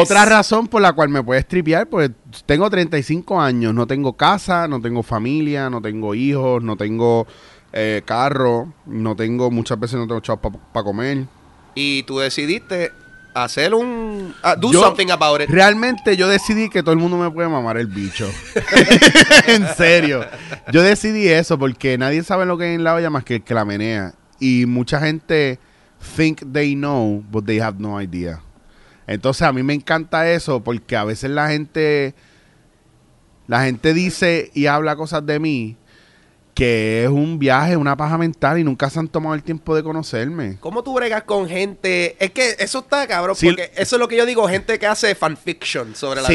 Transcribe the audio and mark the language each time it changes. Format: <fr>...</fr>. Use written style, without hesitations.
<es>Otra razón por la cual me puedes tripear, pues tengo 35 años, no tengo casa, no tengo familia, no tengo hijos, no tengo carro, no tengo, muchas veces no tengo chavos para comer. Y tú decidiste hacer un...</es> <en>something about it.</en> <es>Realmente yo decidí que todo el mundo me puede mamar el bicho. En serio. Yo decidí eso porque nadie sabe lo que hay en la olla más que el que la menea. Y mucha gente</es> <en>think they know, but they have no idea.</en> <es>Entonces a mí me encanta eso porque a veces la gente dice y habla cosas de mí que es un viaje, una paja mental, y nunca se han tomado el tiempo de conocerme. ¿Cómo tú bregas con gente? Es que eso está cabrón, sí, porque eso es lo que yo digo, gente que hace fanfiction sobre la,</es>